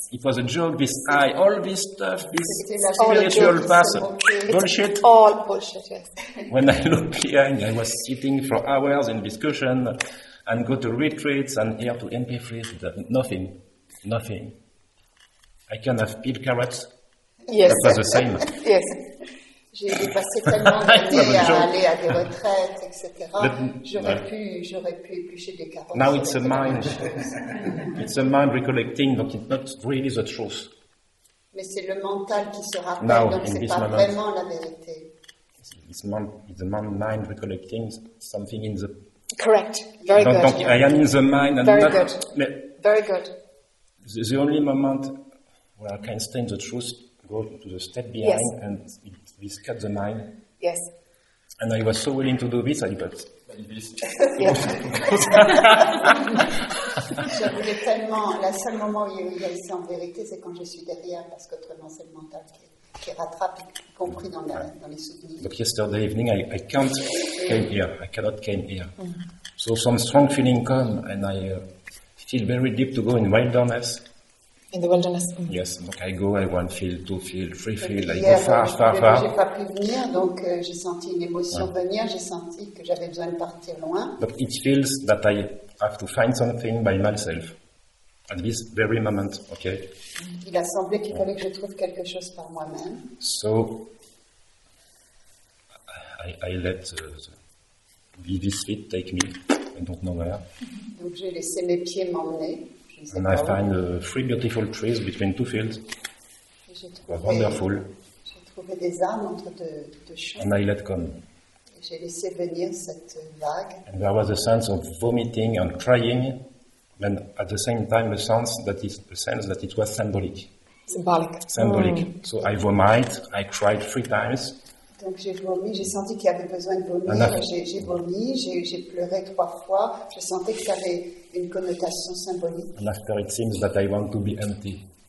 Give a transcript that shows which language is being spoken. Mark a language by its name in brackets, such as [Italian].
[English] It was a joke, this eye, all this stuff, this spiritual path, bullshit. It's all bullshit, yes. When I look behind, I was sitting for hours in discussion and go to retreats and here to MP3, nothing, nothing. I can have peeled carrots. Yes. That was the same. Yes. [French] J'ai passé tellement d'années à aller à des retraites, etc. J'aurais pu éplucher des carottes. [English] Now it's a mind. It's a mind recollecting, but it's not really the truth. [French] Mais c'est le mental qui se rappelle, [English] now, [French] donc c'est pas [English] moment, [French] vraiment la vérité. [English] It's the mind recollecting something in the. Correct. Very good. [French] Donc, [English] I am in the mind and very not. Good. [French] Mais [English] very good. The only moment where I can stand the truth, go to the step behind, yes, and. This cut the mind. Yes. And I was so willing to do this, I put. [French] Je voulais tellement. La seule moment où il y a ici en vérité, c'est quand je suis derrière, parce qu'autrement, c'est le mental qui rattrape, y compris dans, la, dans les souvenirs. [English] But yesterday evening, I can't came here. I cannot came here. Mm-hmm. So some strong feeling come, and I feel very deep to go in wilderness. In the wilderness. Mm. Yes, [French] donc [English] I go, I one feel, two feel, three feel, [French] donc, [English] I go far, [French] donc, [English] far, far. [French] J'ai pas pu venir, donc j'ai senti une émotion venir, j'ai senti que j'avais besoin de partir loin. [English] But it feels that I have to find something by myself, at this very moment, okay? [French] Il a semblé qu'il fallait que je trouve quelque chose par moi-même. [English] So, I let this feet take me, I don't know where. [French] Donc j'ai laissé mes pieds m'emmener. [English] And I find three beautiful trees between two fields. [French] Trouvé, [English] wonderful. [French] J'ai trouvé des arbres entre deux champs. [English] And I let come. [French] Et j'ai laissé venir cette vague. [English] And there was a sense of vomiting and crying, and at the same time a sense that it was symbolic. Symbolic. Symbolic. Mm. So I vomited. I cried three times. [French] Donc j'ai vomi. J'ai senti qu'il y avait besoin de vomir. J'ai vomi. J'ai pleuré trois fois. Je sentais que ça avait une connotation symbolique. [English] And after it seems that I want to be empty.